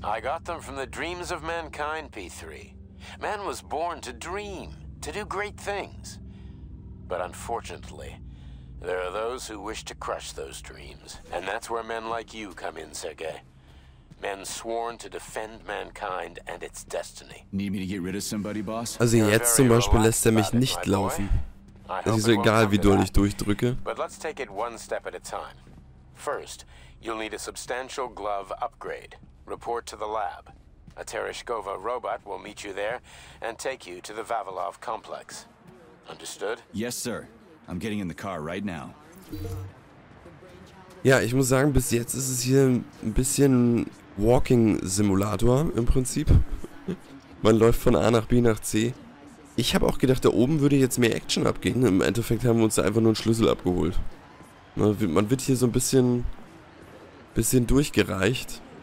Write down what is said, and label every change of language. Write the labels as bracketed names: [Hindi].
[English] I got them from the dreams of mankind, P3. Man was born to dream, to do great things. But unfortunately, there are those who wish to crush those dreams. And that's where men like you come in, Sergei. Men sworn to defend mankind and its destiny. Need me to get rid of somebody, boss? [German] Also jetzt zum Beispiel lässt er mich nicht laufen. Es ist egal, wie doll ich durchdrücke. [English] But let's take it one step at a time. First, you'll need a substantial glove upgrade. Report to the lab. A Tereshkova robot will meet you there and take you to the Vavilov complex. Understood? Yes, sir. I'm getting in the car right now. [German] Ja, ich muss sagen, bis jetzt ist es hier ein bisschen Walking-Simulator im Prinzip. Man läuft von A nach B nach C. Ich habe auch gedacht, da oben würde jetzt mehr Action abgehen. Im Endeffekt haben wir uns da einfach nur einen Schlüssel abgeholt. Man wird hier so ein bisschen durchgereicht.